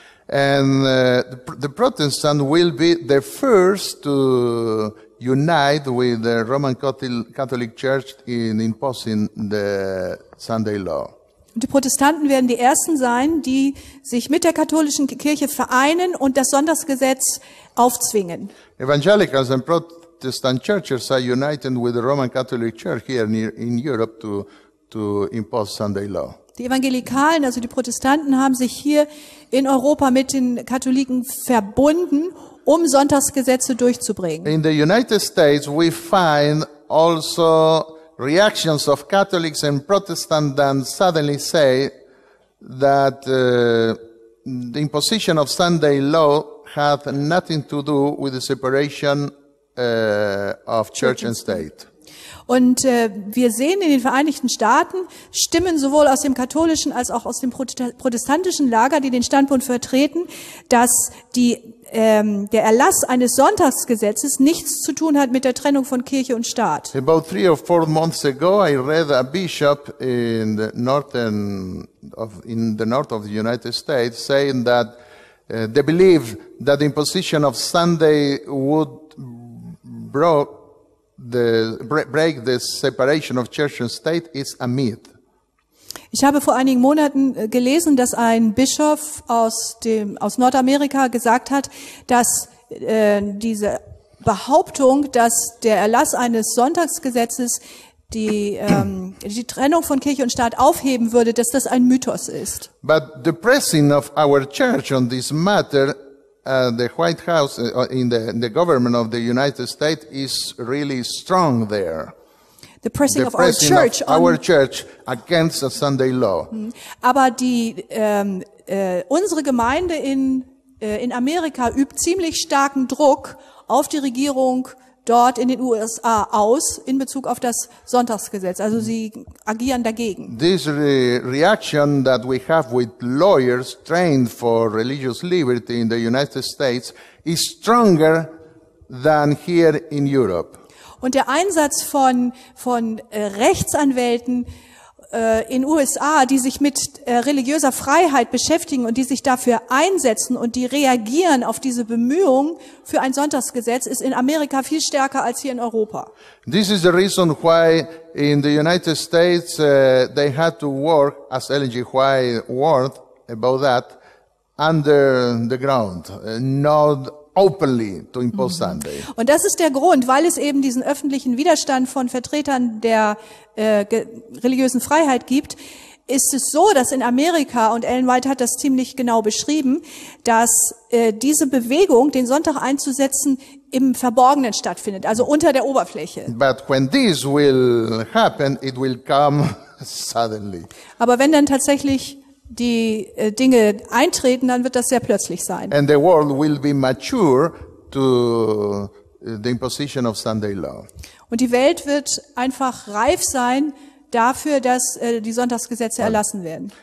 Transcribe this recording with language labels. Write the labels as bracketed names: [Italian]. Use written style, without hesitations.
[English] And the Protestant will be the first to unite with the Roman Catholic Church in imposing the Sunday law. [German] Die Protestanten werden die ersten sein, die sich mit der katholischen Kirche vereinen und das Sonntagsgesetz aufzwingen. [English] Evangelicals and Protestant churches are uniting with the Roman Catholic Church here in Europe to impose Sunday law. [German] Die Evangelikalen, also die Protestanten, haben sich hier in Europa mit den Katholiken verbunden, um Sonntagsgesetze durchzubringen. [English] In the United States we find also reactions of Catholics and Protestants that suddenly say that the imposition of Sunday law has nothing to do with the separation of church and state. [German] Und wir sehen in den Vereinigten Staaten Stimmen sowohl aus dem katholischen als auch aus dem protestantischen Lager, die den Standpunkt vertreten, dass die der Erlass eines Sonntagsgesetzes nichts zu tun hat mit der Trennung von Kirche und Staat. [English] About 3 or 4 months ago, I read a bishop in the northern of in the north of the United States saying that they believe that the imposition of Sunday would break the separation of church and state is a myth. [German] Ich habe vor einigen Monaten gelesen, dass ein Bischof aus Nordamerika gesagt hat, dass diese Behauptung, dass der Erlass eines Sonntagsgesetzes die Trennung von Kirche und Staat aufheben würde, dass das ein Mythos ist. [English] But the pressing of our church on this matter, the White House in the government of the United States is really strong there. The pressing, the pressing of our church, of our church against a Sunday law. [German] Aber die unsere Gemeinde in Amerika übt ziemlich starken Druck auf die Regierung dort in den USA aus in Bezug auf das Sonntagsgesetz. Also sie agieren dagegen. [English] This reaction that we have with lawyers trained for religious liberty in the United States is stronger than here in Europe. [German] Und der Einsatz von Rechtsanwälten in USA, die sich mit religiöser Freiheit beschäftigen und die sich dafür einsetzen und die reagieren auf diese Bemühungen für ein Sonntagsgesetz, ist in Amerika viel stärker als hier in Europa. [English] This is the reason why in the United States they had to work, as Ellen G. White warned about that, under the ground, not openly to impose Sunday. [German] Und das ist der Grund, weil es eben diesen öffentlichen Widerstand von Vertretern der religiösen Freiheit gibt, ist es so, dass in Amerika, und Ellen White hat das ziemlich genau beschrieben, dass diese Bewegung, den Sonntag einzusetzen, im Verborgenen stattfindet, also unter der Oberfläche. [English] But when this will happen, it will come suddenly. [German] Aber wenn dann tatsächlich die Dinge eintreten, dann wird das sehr plötzlich sein. [English] And the world will be mature to the imposition of Sunday law. [German] Und die Welt wird einfach reif sein dafür, dass die Sonntagsgesetze erlassen werden.